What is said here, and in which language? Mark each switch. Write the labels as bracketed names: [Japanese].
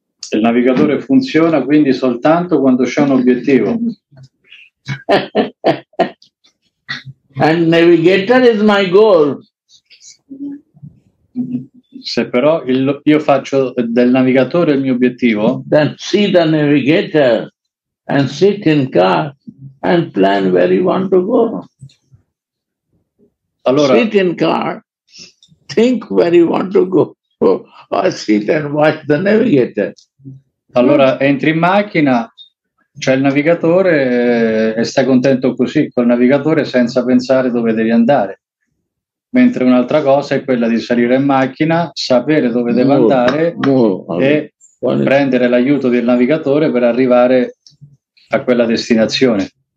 [Italian] Il navigatore funziona quindi soltanto quando c'è un obiettivo. [English] And navigator is my goal. [Italian] Se però io faccio del navigatore il mio obiettivo, [English] then see the navigator and sit in car and plan where you want to go. [Italian] Allora, [English] sit in car, think where you want to go, or sit and watch the navigator. [Italian] Allora entri in macchina, c'è il navigatore e stai contento così, col navigatore senza pensare dove devi andare. Mentre un'altra cosa è quella di salire in macchina, sapere dove devo andare e prendere l'aiuto del navigatore per arrivare a quella destinazione.